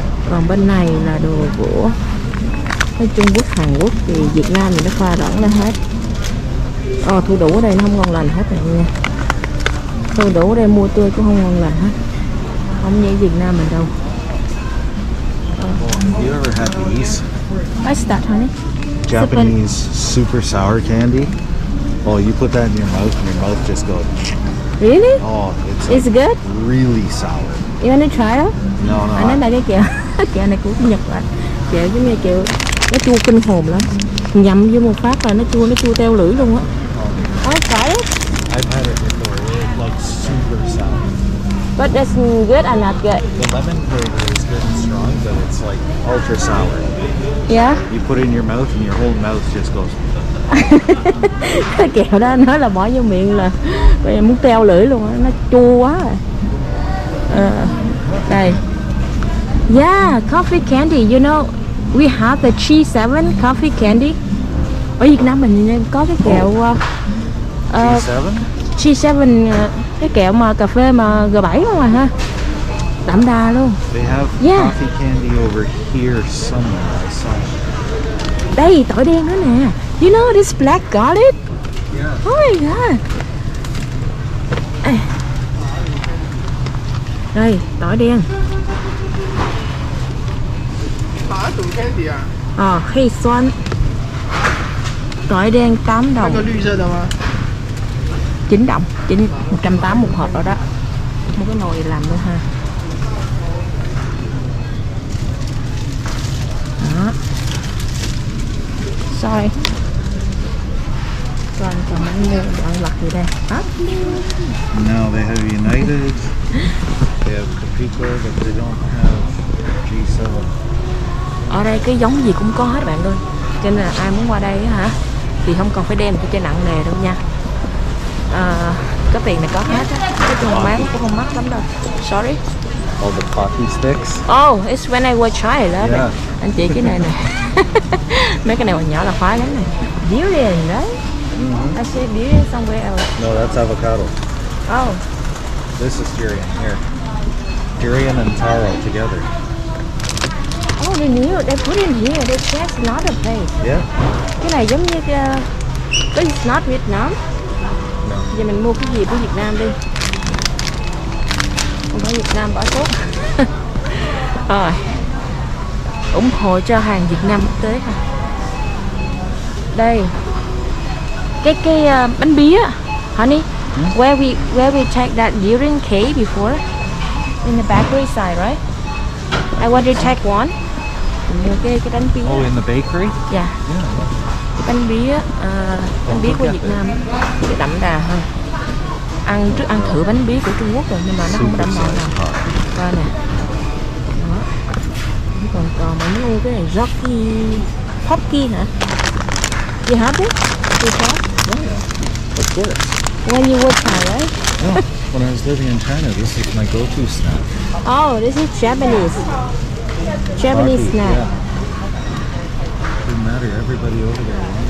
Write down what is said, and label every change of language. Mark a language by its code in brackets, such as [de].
[vi] Còn bên này là đồ của cái Trung Quốc, Hàn Quốc thì Việt Nam thì nó pha lẫn lên hết. Ồ, thu đủ ở đây nó không ngon lành hết rồi nha. Thu đủ ở đây mua tươi cũng không ngon lành hết. Không như Việt Nam mình đâu. [en] You ever had these? What's that, honey? Japanese super sour candy. Oh, you put that in your mouth just goes. Really? Oh, it's like good? Really sour. You want to try it? No, no. [vi] Anh nói là cái kiểu, kiểu này cũng Nhật lắm. Kiểu giống như kiểu, nó chua kinh hồn lắm. Nhậm vô một phát là nó chua teo lưỡi luôn á. [en] I've had it before. It looks super sour. But that's good and not good. The lemon flavor is good and strong. but it's like ultra sour. Yeah? You put it in your mouth and your whole mouth just goes. [vi] Cái kẹo đó nói là bỏ vô miệng là muốn teo lưỡi luôn á, nó chua quá rồi. Đây. [en] Yeah, coffee candy, you know, we have the G7 coffee candy. [vi] Ở Việt Nam mình có cái kẹo G7, cái kẹo mà cà phê mà G7 không à ha. Đậm đà luôn. [en] They have coffee candy over here somewhere. I saw. [vi] Đây, tỏi đen đó nè. [en] You know this black garlic? Yeah. Oh my god. [vi] Đây, tỏi đen. Ờ, khê xoăn. Tỏi đen 8 đồng. Có lưu rơi đâu mà? 9 đồng, 180 một hộp rồi đó. Một cái nồi làm nữa ha. Đó. Xoay. Còn cầm mấy người, bạn lật gì đây? [en] No, they have United. They have Capico, but they don't have G7. [vi] Ở đây cái giống gì cũng có hết bạn ơi. Cho nên là ai muốn qua đây hả thì không cần phải đem cái chai nặng nề đâu nha. Có tiền này có hết á. Cái thùng máy cũng không mắc lắm đâu. [en] Sorry. All the coffee sticks. Oh, it's when I was child. Yeah. [vi] Anh chị cái này nè. Mấy cái này hồi nhỏ là khoái lắm nè. [en] Durian, right? Mm-hmm. I see durian somewhere else. No, that's avocado. Oh. This is durian, here. Durian and taro together. Oh, they knew. They put in here. They said it's not a place. Yeah. [vi] Cái này giống như cái... [en] It's not Vietnam. No. [vi] Giờ mình mua cái gì của Việt Nam đi. Không phải Việt Nam, bỏ sốt. Rồi. Ủng hộ cho hàng Việt Nam quốc tế ha. Đây. Cái bánh bí á. Honey. Hmm? [en] Where we take that durian cake before? In the bakery side, right? I want to take one. [vi] Cái bánh bí. [en] Oh, in the bakery? Yeah. Yeah. [vi] Bánh bí á, bánh bí của Việt Nam cái đậm đà hơn. Ăn trước ăn thử bánh bí của Trung Quốc rồi nhưng mà nó không đậm đà nào. Qua nè. Đó. Còn mấy người cái này Rocky Pocky hả? [en] You have it? You have? Yeah. Of course. When you were child, right? Yeah. When I was living in China, this is my go-to snack. Oh, this is Japanese coffee, snack. Yeah. Doesn't matter, everybody over there.